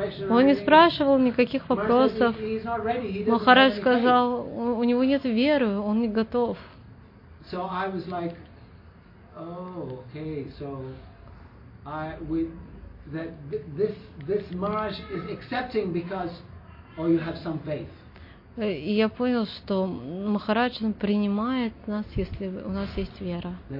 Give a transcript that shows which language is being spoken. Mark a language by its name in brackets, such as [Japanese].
[Russian] Он не спрашивал никаких вопросов. Махарадж сказал, у него нет веры, он не готов. [English] So I was like, oh, okay, so I with that this Maharaj is accepting because or you have some faith. [Russian] И я понял, что Махарадж принимает нас, если у нас есть вера.